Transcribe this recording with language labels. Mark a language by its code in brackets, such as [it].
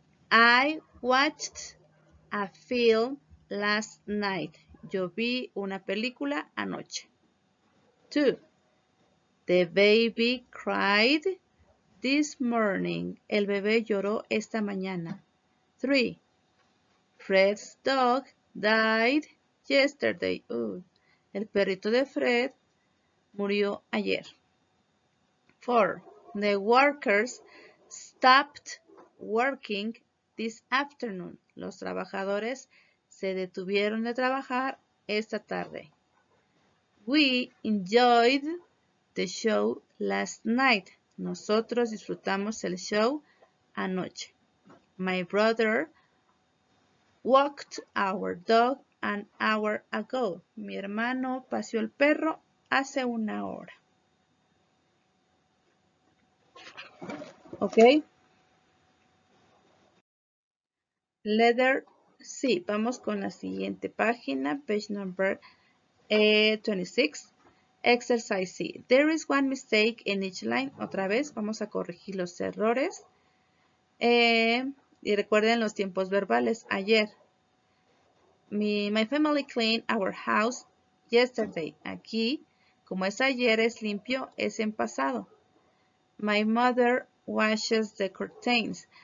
[en] I watched a film last night. [es] Yo vi una película anoche. [en] Two. The baby cried this morning. [es] El bebé lloró esta mañana. [en] Three. Fred's dog died yesterday. [es] El perrito de Fred murió ayer. [en] 4. The workers stopped working this afternoon. [es] Los trabajadores se detuvieron de trabajar esta tarde. [en] We enjoyed the show last night. [es] Nosotros disfrutamos el show anoche. [en] My brother walked our dog an hour ago. [es] Mi hermano paseó el perro hace una hora. [en] Ok. Letter C. [es] Vamos con la siguiente página. [en] Page number 26. Exercise C. There is one mistake in each line. [es] Otra vez vamos a corregir los errores. Y recuerden los tiempos verbales. Ayer. [en] My family cleaned our house yesterday. [es] Aquí, como es ayer, es limpio, es en pasado. [en] My mother washes the curtains.